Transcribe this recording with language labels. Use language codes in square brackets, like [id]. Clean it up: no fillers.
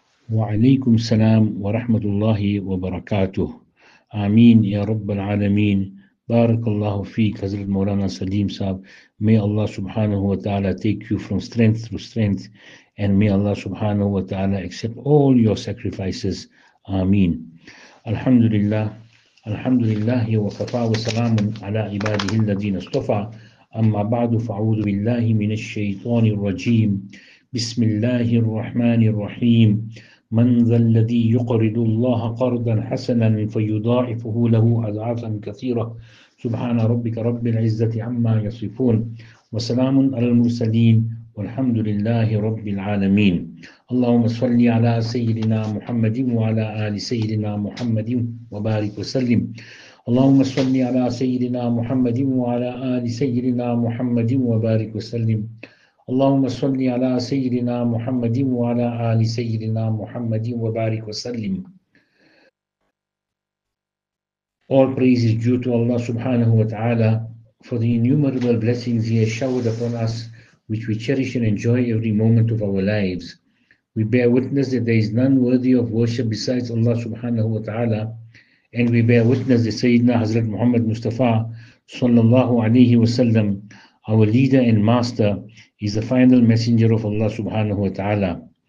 [ar] وعليكم السلام ورحمة الله وبركاته. آمين يا رب العالمين. بارك الله فيك حضرة مولانا سليم صاحب. [en] May Allah subhanahu wa ta'ala take you from strength to strength, and may Allah subhanahu wa ta'ala accept all your sacrifices. [ar] آمين. الحمد لله الحمد لله وكفى وسلام على عباده الذين اصطفى. أما بعد، فأعوذ بالله من الشيطان الرجيم. بسم الله الرحمن الرحيم. من ذا الذي يقرض الله قرضا حسنا فيضاعفه له أضعافا كثيرة. سبحان ربك رب العزة عما يصفون، وسلام على المرسلين، والحمد لله رب العالمين. اللهم صل على سيدنا محمد وعلى آل سيدنا محمد وبارك وسلم. اللهم صل على سيدنا محمد وعلى آل سيدنا محمد وبارك وسلم. اللهم صل على سيدنا محمد وعلى آل سيدنا محمد وبارك وسلم. [en] All praise is due to Allah subhanahu wa ta'ala for the innumerable blessings He has showered upon us, which we cherish and enjoy every moment of our lives. We bear witness that there is none worthy of worship besides Allah subhanahu wa ta'ala, and we bear witness that Sayyidina Hazrat Muhammad Mustafa sallallahu alayhi wa sallam, our leader and master, is the final messenger of Allah subhanahu wa ta'ala.